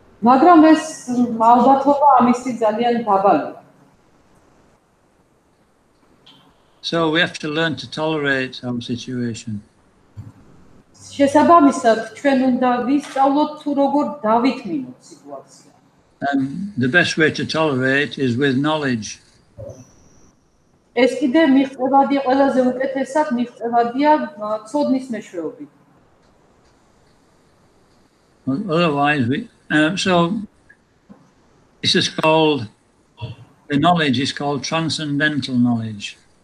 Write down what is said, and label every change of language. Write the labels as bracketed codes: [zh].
[ka] მაგრამ ეს ალბათობა ამისი ძალიან დაბალია. [en] So we have to learn to tolerate our situation. [ka] შესაბამისად, ჩვენ უნდა ვისწავლოთ თუ როგორ დავითმინოთ სიტუაცია. [en] The best way to tolerate is with knowledge. [ka] ეს კიდე მიღწევადია ყველაზე უკეთესად მიღწევადია ცოდნის მეშვეობით. [en] Otherwise, so this is called, the knowledge is called transcendental knowledge.